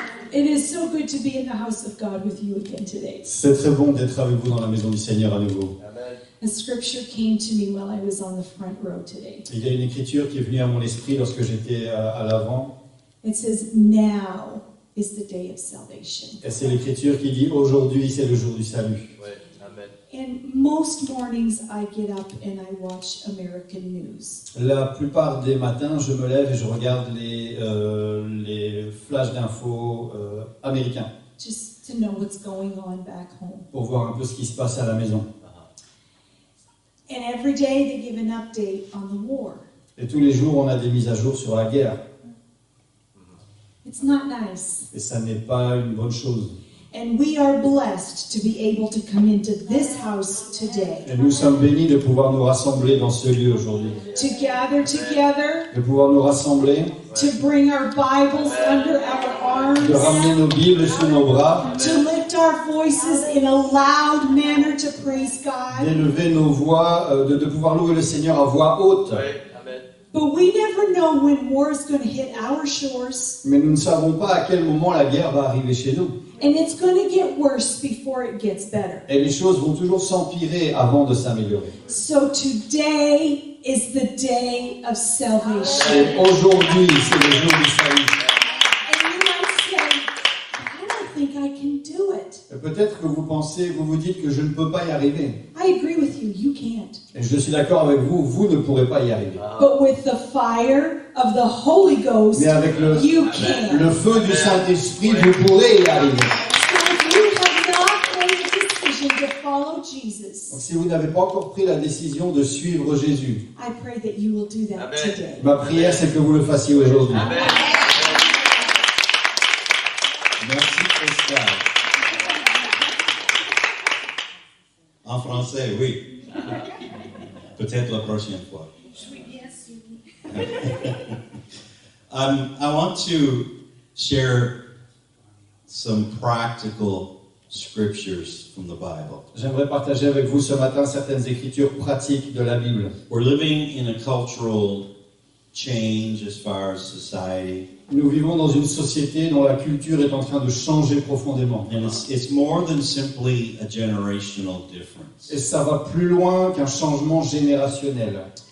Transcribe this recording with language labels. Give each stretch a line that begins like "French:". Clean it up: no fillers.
English: It is so good to be in the house of God with you again today.
French: C'est très bon d'être avec vous dans la maison du Seigneur à nouveau.
English: Amen. A scripture came to me while I was on the front row today.
French: Il y a une écriture qui est venue à mon esprit lorsque j'étais à l'avant.
English: It says, "Now is the day of salvation."
French: Et c'est l'écriture qui dit, aujourd'hui c'est le jour du salut. Ouais.
English: And most mornings I get up and I watch American news.
French: La plupart des matins, je me lève et je regarde les flashs d'infos américains.
English: Just to know what's going on back home.
French: Pour voir un peu ce qui se passe à la maison.
English: And every day they give an update on the war.
French: Et tous les jours, on a des mises à jour sur la guerre.
English: It's not nice.
French: Et ça n'est pas une bonne chose.
English: And we are blessed to be able to come into this house today.
French: Et nous sommes bénis de pouvoir nous rassembler dans ce lieu aujourd'hui.
English: To gather together.
French: De pouvoir nous rassembler.
English: To bring our Bibles under our arms.
French: De ramener nos Bibles sous nos bras.
English: To lift our voices in a loud manner to praise God.
French: D'élever nos voix, de pouvoir louer le Seigneur à voix haute.
English: But we never know when war is going to hit our shores.
French: Mais nous ne savons pas à quel moment la guerre va arriver chez nous.
English: And it's going to get worse before it gets better.
French: Et les choses vont toujours s'empirer avant de s'améliorer.
English: So today is the day of salvation.
French: Et aujourd'hui, c'est le jour du salut.
English: And you might say, I don't think I can do it.
French: Et peut-être que vous pensez, vous vous dites que je ne peux pas y arriver.
English: I agree with you, you can't.
French: Et je suis d'accord avec vous, vous ne pourrez pas y arriver.
English: But with the fire of the Holy Ghost,
French: mais avec
English: you can.
French: Le feu du Saint-Esprit, vous pourrez y arriver.
English: So if you have not made a decision to follow Jesus,
French: donc si vous n'avez pas encore pris la décision de suivre Jésus,
English: I pray that you will do that Amen. Today.
French: Ma prière, c'est que vous le fassiez aujourd'hui. Amen. Merci, Christian. En français, oui. Peut-être la prochaine fois.
English: I want to share some practical scriptures from the Bible.
French: J'aimerais partager avec vous ce matin certaines écritures pratiques de la Bible.
English: We're living in a cultural change as far as society.
French: Nous vivons dans une société dont la culture est en train de changer profondément.
English: And it's more than simply a generational difference.
French: Et ça va plus loin qu'un changement générationnel.